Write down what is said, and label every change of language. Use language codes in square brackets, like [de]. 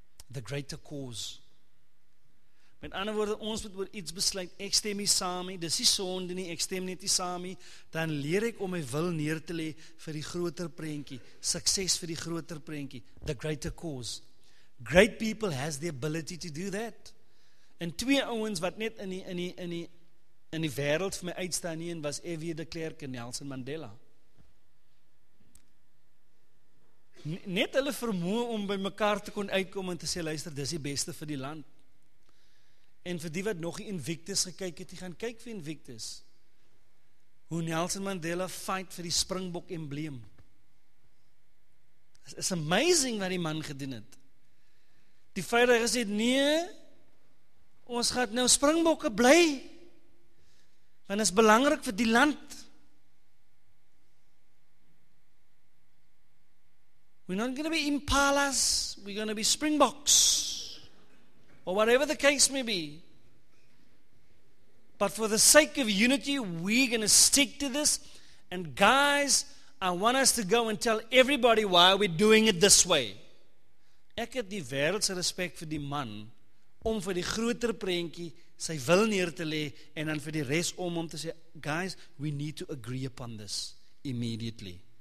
[af] The greater cause. Met ander woorde, ons moet oor iets besluit, ek stem nie saam nie, dis die sonde nie, ek stem net nie saam nie, dan leer ek om my wil neer te lê vir die groter prentjie, sukses vir die groter prentjie, [en] the greater cause. Great people has the ability to do that. [af] En twee ouens wat net in die wêreld vir my uitstaan nie, en was F.W. de Klerk en Nelson Mandela. Net hulle vermoë om by mekaar te kon uitkom en te sê, luister, dis die beste vir die land. En vir die wat nog die Invictus gekyk het, die gaan kyk vir Invictus. Hoe Nelson Mandela fight vir die Springbok embleem. [en] It's amazing [af] wat die man gedoen het. Die vyder gesê, nee, ons gaat nou Springbokke bly, want is belangrik vir die land. [en] We're not going to be impalas, we're going to be Springboks. Or whatever the case may be. But for the sake of unity, we're going to stick to this. And guys, I want us to go and tell everybody why we're doing it this way. [af] Ek het die wêreldse respek vir die man om vir die groter prentjie sy wil neer te lê en dan vir die res om te sê, [en] guys, we need to agree upon this immediately.